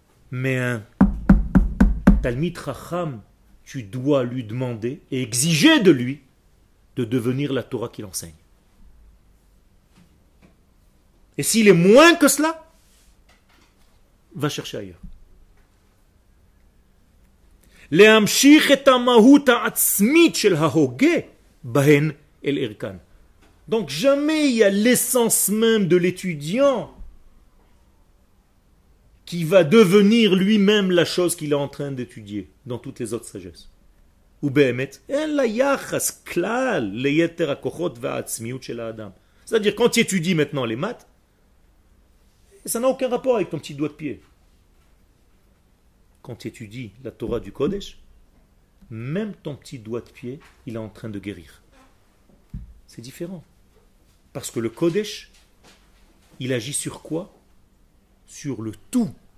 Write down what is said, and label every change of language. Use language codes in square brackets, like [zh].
[fr] Mais un Talmid Chacham, tu dois lui demander et exiger de lui de devenir la Torah qu'il enseigne. Et s'il est moins que cela, va chercher ailleurs. [he] להמשיך את המהות העצמית של ההוגה בהן אל ערכן. [fr] Donc jamais il y a l'essence même de l'étudiant qui va devenir lui-même la chose qu'il est en train d'étudier dans toutes les autres sagesses. [he] Ou באמת, אלא יחס כלל ליתר הכוחות והעצמיות של האדם. [fr] C'est-à-dire, quand tu étudies maintenant les maths, ça n'a aucun rapport avec ton petit doigt de pied. Quand tu étudies la Torah du Kodesh, même ton petit doigt de pied, il est en train de guérir. C'est différent. Parce que le Kodesh, il agit sur quoi? Sur le tout.